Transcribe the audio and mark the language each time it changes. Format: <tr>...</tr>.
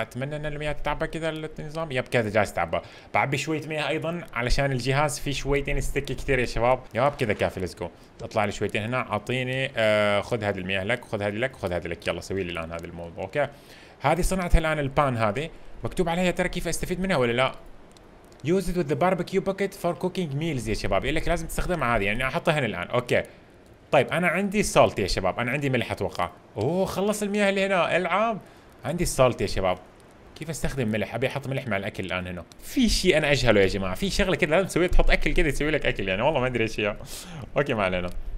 <ar>اتمنى ان المياه تتعبى كذا النظام. يب كذا جاهز تعبى. بعبي شويه مياه ايضا علشان الجهاز في شويتين ستيك كثير يا شباب. يب كذا كافي،</ar> <en>Let's go.</en> <ar>اطلع لي شويتين هنا، اعطيني. خذ هذه المياه لك، خذ هذه لك، خذ هذه لك. يلا سوي لي الان هذا الموضوع. اوكي هذه صنعتها الان البان. هذه مكتوب عليها ترى كيف استفيد منها ولا لا.</ar> <en>Use it with the barbecue bucket for cooking meals</en> <ar>يا شباب. يقول لك لازم تستخدم هذه، يعني احطها هنا الان. اوكي طيب انا عندي سولت يا شباب، انا عندي ملح اتوقع. اوه خلص المياه اللي هنا، العام عندي سولت يا شباب. كيف استخدم ملح؟ ابي احط ملح مع الاكل الان هنا. في شيء انا اجهله يا جماعه، في شغله كذا لازم تسويها، تحط اكل كذا يسوي لك اكل، يعني والله ما ادري ايش هي. اوكي ما علينا.</ar>